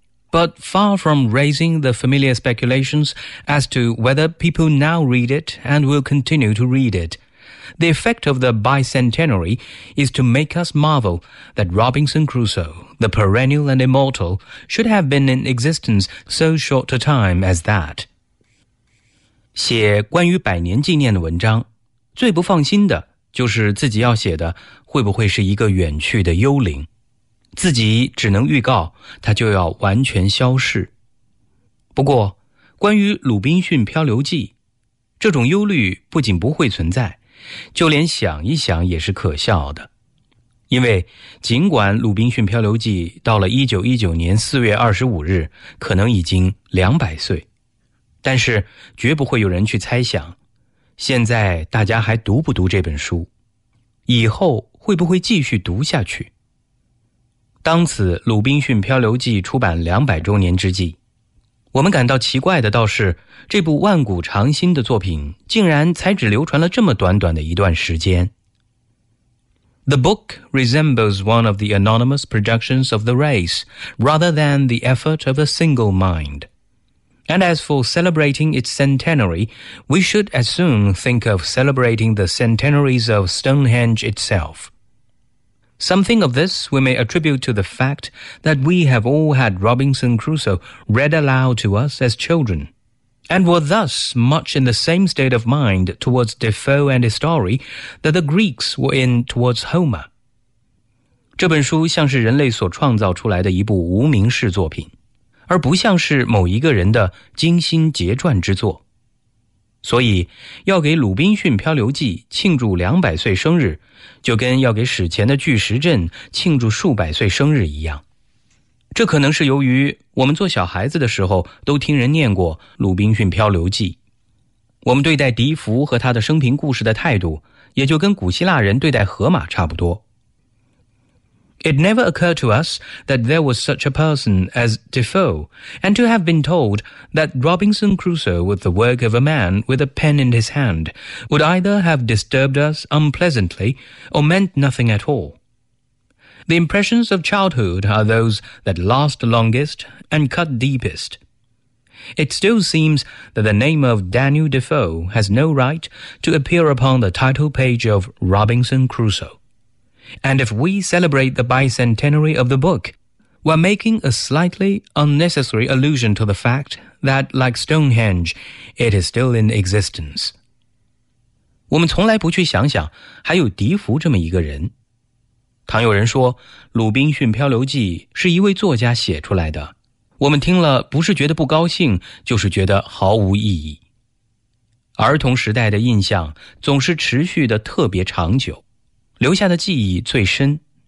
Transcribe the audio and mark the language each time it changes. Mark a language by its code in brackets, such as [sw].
[en] But far from raising the familiar speculations as to whether people now read it and will continue to read it, the effect of the bicentenary is to make us marvel that Robinson Crusoe, the perennial and immortal, should have been in existence so short a time as that. [zh] 写关于百年纪念的文章，最不放心的就是自己要写的会不会是一个远去的幽灵。自己只能预告它就要完全消逝。不过关于鲁滨逊漂流记，这种忧虑不仅不会存在，就连想一想也是可笑的。因为尽管鲁滨逊漂流记到了1919年4月25日可能已经200岁，但是绝不会有人去猜想现在大家还读不读这本书，以后会不会继续读下去。当此《鲁滨逊漂流记》出版200周年之际，我们感到奇怪的倒是这部万古长新的作品竟然才只流传了这么短短的一段时间。 [en] The book resembles one of the anonymous productions of the race rather than the effort of a single mind. And as for celebrating its centenary, we should as soon think of celebrating the centenaries of Stonehenge itself. Something of this we may attribute to the fact that we have all had Robinson Crusoe read aloud to us as children, and were thus much in the same state of mind towards Defoe and his story that the Greeks were in towards Homer. [zh] 这本书像是人类所创造出来的一部无名氏作品，而不像是某一个人的精心结撰之作。所以要给鲁滨逊漂流记庆祝200岁生日，就跟要给史前的巨石阵庆祝数百岁生日一样。这可能是由于我们做小孩子的时候都听人念过鲁滨逊漂流记，我们对待迪福和他的生平故事的态度也就跟古希腊人对待荷马差不多。 [en] It never occurred to us that there was such a person as Defoe, and to have been told that Robinson Crusoe was the work of a man with a pen in his hand would either have disturbed us unpleasantly or meant nothing at all. The impressions of childhood are those that last longest and cut deepest. It still seems that the name of Daniel Defoe has no right to appear upon the title page of Robinson Crusoe. And if we celebrate the bicentenary of the book,We're making a slightly unnecessary allusion to the fact that, like Stonehenge, it is still in existence. [zh] 我们从来不去想想还有迪福这么一个人。倘有人说《鲁滨逊漂流记》是一位作家写出来的，我们听了不是觉得不高兴，就是觉得毫无意义。儿童时代的印象总是持续的特别长久，留下的记忆最深。